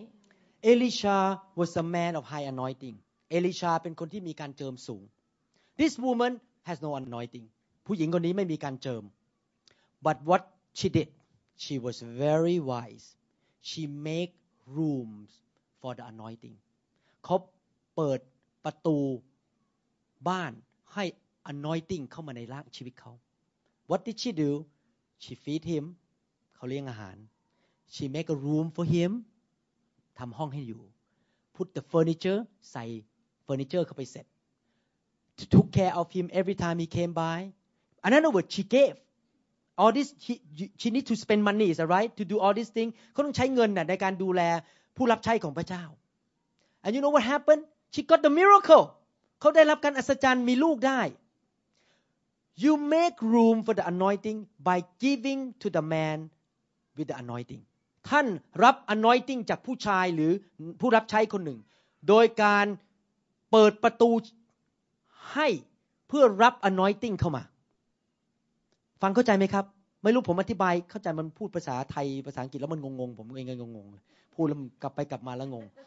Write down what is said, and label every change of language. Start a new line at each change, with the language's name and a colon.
English: เอลิชา was a man of high anointing
Thai: เอลิชาเป็นคนที่มีการเจิมสูง
English: This woman has no anointing
Thai: ผู้หญิงคนนี้ไม่มีการเจิม
English: But what she did she was very wise she make rooms for the anointing
Thai: เขาเปิดประตูบ้านให้anointing เข้ามาในร่างชีวิตเขา
English: What did she do? She feed him.
Thai: เขาเลี้ยงอาหาร
English: She make a room for him.
Thai: ทำห้องให้อยู่
English: Put the furniture
Thai: ใส่ furniture เข้าไปเสร็จ
English: Took care of him every time he came by. Another word she gave. All this she need to spend money is that right? To do all these things.
Thai: เขาต้องใช้เงินน่ะในการดูแลผู้รับใช้ของพระเจ้า
English: And you know what happened? She got the miracle.
Thai: เขาได้รับการอัศจรรย์มีลูกได้
English: You make room for the anointing
Thai: by giving to the man with the anointing ท่านรับ anointing จากผู้ชายหรือผู้รับใช้คนหนึ่งโดยการเปิดประตูให้เพื่อรับ anointing เข้ามาฟังเข้าใจไหมครับไม่รู้ผมอธิบายเข้าใจมันพูดภาษาไทยภาษาอังกฤษแล้วมันงงๆผมเองก็งงๆพูดแล้วกลับไปกลับมาแล้วงง